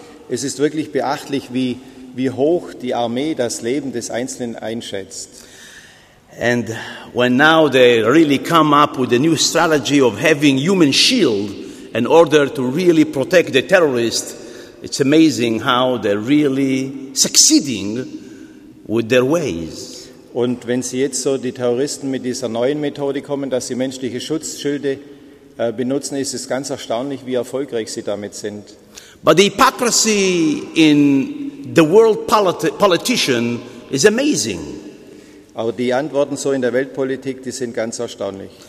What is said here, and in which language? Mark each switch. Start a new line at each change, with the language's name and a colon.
German: Es ist wirklich beachtlich, wie hoch die Armee das Leben des Einzelnen einschätzt.
English: And when now they really come up with a new strategy of having human shield in order to really protect the terrorists, it's amazing how they're really succeeding with their ways.
German: Und wenn sie jetzt so die Terroristen mit dieser neuen Methode kommen, dass sie menschliche Schutzschilde benutzen, ist es ganz erstaunlich, wie erfolgreich sie damit sind.
English: But the hypocrisy in the world politician is amazing.
German: Aber die Antworten so in der Weltpolitik, die sind ganz erstaunlich.